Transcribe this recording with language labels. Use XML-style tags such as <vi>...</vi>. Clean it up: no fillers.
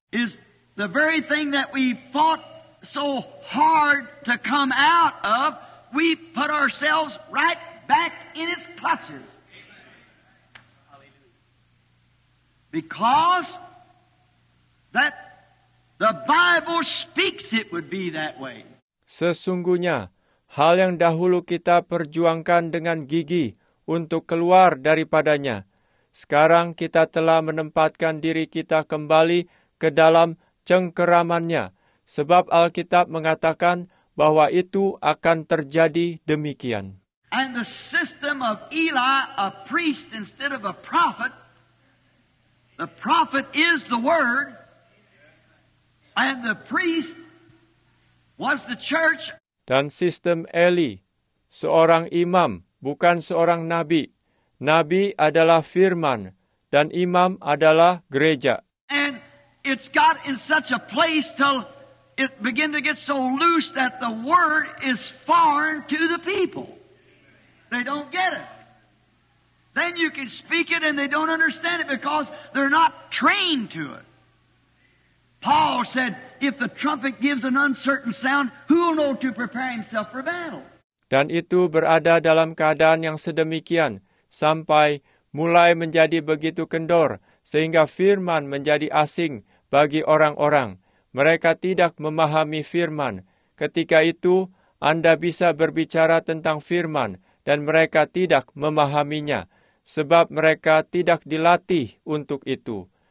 <en>Is the very thing that we fought so hard to come out of, we put ourselves right back in its clutches. Because that the Bible speaks it would be that way.</en> <id>Sesungguhnya, hal yang dahulu kita perjuangkan dengan gigi untuk keluar daripadanya, sekarang kita telah menempatkan diri kita kembali ke dalam cengkeramannya, sebab Alkitab mengatakan bahwa itu akan terjadi demikian.</id> <en>And the system of Eli, a priest instead of a prophet, the prophet is the word, and the priest was the church.</en> <id>Dan sistem Eli, seorang imam, bukan seorang nabi. Nabi adalah firman, dan imam adalah gereja.</id> <en>And it's got in such a place till it begin to get so loose that the word is foreign to the people. They don't get it. Then you can speak it and they don't understand it because they're not trained to it. Paul said, if the trumpet gives an uncertain sound, who will know to prepare himself for battle?</en> <id>Dan itu berada dalam keadaan yang sedemikian, sampai mulai menjadi begitu kendor, sehingga firman menjadi asing bagi orang-orang. Mereka tidak memahami firman. Ketika itu, Anda bisa berbicara tentang firman, dan mereka tidak memahaminya, sebab mereka tidak dilatih untuk itu.</id>